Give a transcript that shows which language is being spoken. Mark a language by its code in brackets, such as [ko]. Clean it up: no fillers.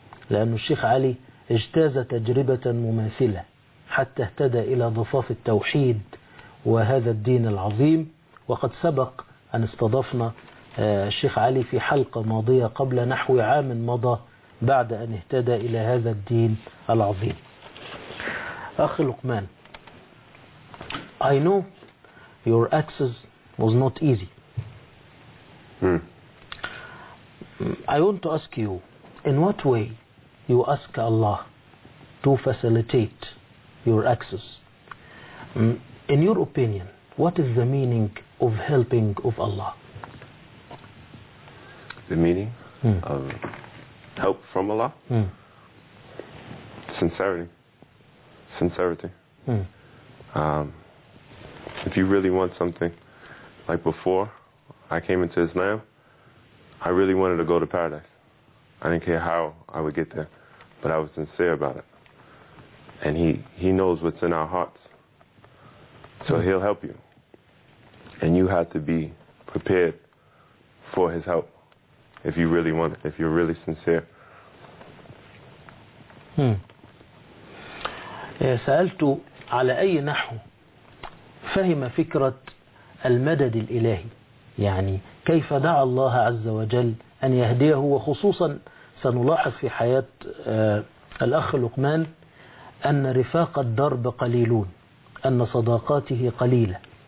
[ar] لأن الشيخ علي اجتاز تجربة مماثلة حتى اهتدى إلى ضفاف التوحيد وهذا الدين العظيم. وقد سبق أن استضفنا الشيخ علي في حلقة ماضية قبل نحو عام مضى بعد أن اهتدى إلى هذا الدين العظيم. [en] أخ لقمان, I know your access was not easy. I want to ask you, in what way you ask Allah to facilitate your access? In your opinion, what is the meaning of helping of Allah? The meaning of help from Allah? Sincerity. Sincerity. If you really want something, like before I came into Islam, I really wanted to go to paradise. I didn't care how I would get there, but I was sincere about it. And he knows what's in our hearts. So he'll help you. And you have to be prepared for his help if you really want it, if you're really sincere. [ar] سألت على أي نحو فهم فكرة المدد الإلهي, يعني كيف دعا الله عز وجل أن يهديه, وخصوصا سنلاحظ في حياة الأخ لقمان أن رفاق الدرب قليلون, أن صداقاته قليلة.